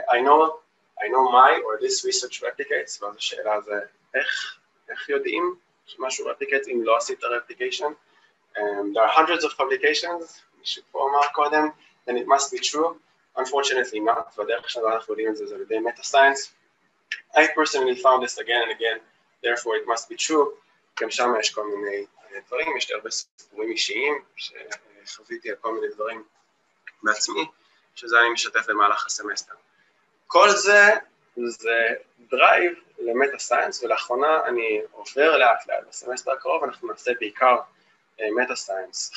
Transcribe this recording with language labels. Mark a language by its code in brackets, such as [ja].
[en] I know my or this research replicates, [he] ואז השאלה זה איך יודעים שמשהו [en] replicates [he] אם לא עשית [en] replication. There are hundreds of publications, [he] מישהו פה אמר קודם, [en] then it must be true. Unfortunately not, [he] והדרך שלנו אנחנו יודעים את זה, זה על ידי meta-science. [en] I personally found this again and again, therefore it must be true. [he] גם שם יש כל מיני דברים, יש הרבה סיפורים אישיים, חוויתי על כל מיני דברים בעצמי, שזה אני משתף במהלך הסמסטר. כל זה, זה דרייב למטה-סיינס, ולאחרונה אני עובר לאט לאט בסמסטר הקרוב, אנחנו נעשה בעיקר מטה-סיינס.